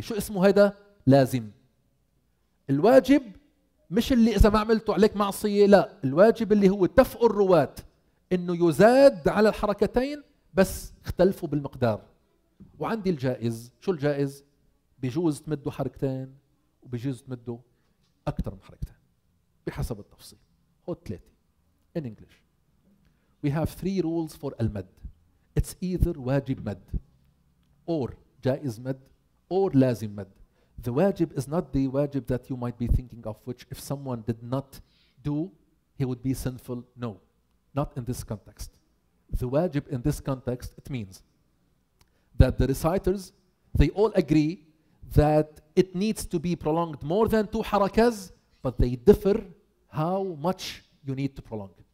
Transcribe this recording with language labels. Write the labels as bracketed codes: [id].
[ar] شو اسمه هذا؟ لازم. الواجب مش اللي إذا ما عملته عليك معصية، لا، الواجب اللي هو اتفق الرواة إنه يزاد على الحركتين بس اختلفوا بالمقدار. وعندي الجائز، شو الجائز؟ بجوز تمدوا حركتين وبجوز تمدوا أكثر من حركتين بحسب التفصيل. هو ثلاثة. [en] In English we have three rules for المد. It's either واجب مد or جائز مد or لازم مد. The wajib is not the wajib that you might be thinking of, which if someone did not do, he would be sinful. No, not in this context. The wajib in this context, it means that the reciters, they all agree that it needs to be prolonged more than two harakas, but they differ how much you need to prolong.